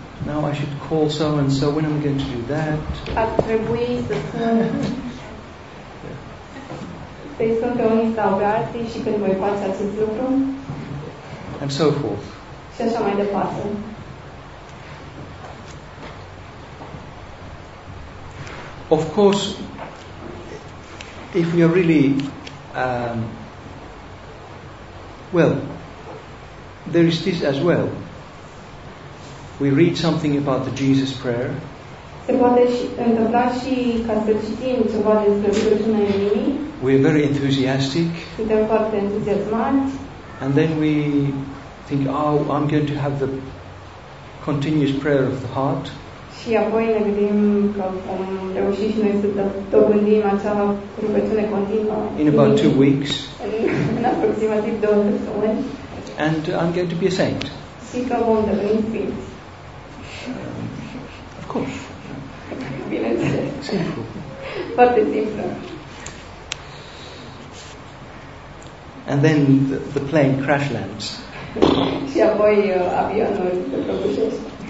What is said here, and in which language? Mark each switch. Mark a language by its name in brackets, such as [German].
[English] Now I should call so and so. When am I going to do that? [Romanian] Ar trebui să sun. Să-i sun pe unii sau pe alții și când voi face acest lucru. [English] And so forth. [Romanian] Și așa mai departe. [English] Of course, if we are really well, there is this as well. We read something about the Jesus prayer. [Romanian] Se poate întâmpla și ca să citim ceva despre rugăciunea inimii. [English] We are very enthusiastic. [Romanian] Suntem foarte entuziasmați. [English] And then we think, oh, I'm going to have the continuous prayer of the heart. [Romanian] Și apoi ne gândim că vom reuși și noi să dobândim acea rugăciune continuă. [English] In about 2 weeks. [Romanian] În aproximativ 2 săptămâni. [English] And I'm going to be a saint. [Romanian] Și că vom deveni sfinți. [English] Of course. [Romanian] Bineînțeles. Simplu. Foarte simplu. [English] And then the plane crash lands. [Romanian] Și apoi avionul se prăbușește.